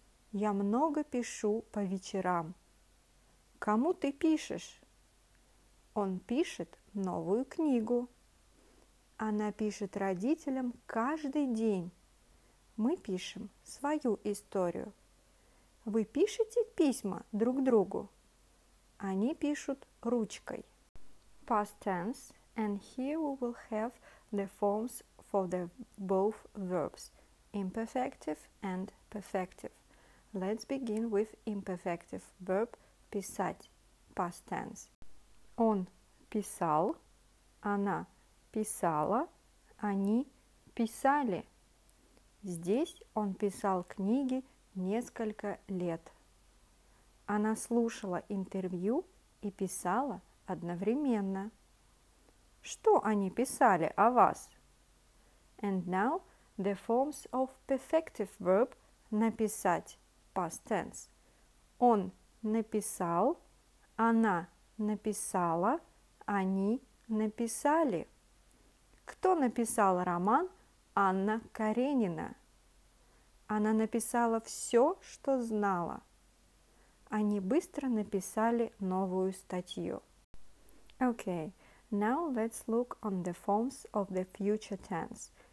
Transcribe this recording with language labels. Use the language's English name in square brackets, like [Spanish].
[Russian] Я много пишу по вечерам. Кому ты пишешь? Он пишет новую книгу. Она пишет родителям каждый день. Мы пишем свою историю. Вы пишете письма друг другу? Они пишут ручкой. [English] Past tense, and here we will have the forms for the both verbs, imperfective and perfective. Let's begin with imperfective verb писать, past tense. [Russian] Он писал, она писала, они писали. Здесь он писал книги несколько лет. Она слушала интервью и писала одновременно. Что они писали о вас? [English] And now the forms of perfective verb написать, past tense. [Russian] Он написал, она написала, они написали. Кто написал роман? Анна Каренина. Она написала все, что знала. Они быстро написали новую статью. [English] Okay, now let's look on the forms of the future tense.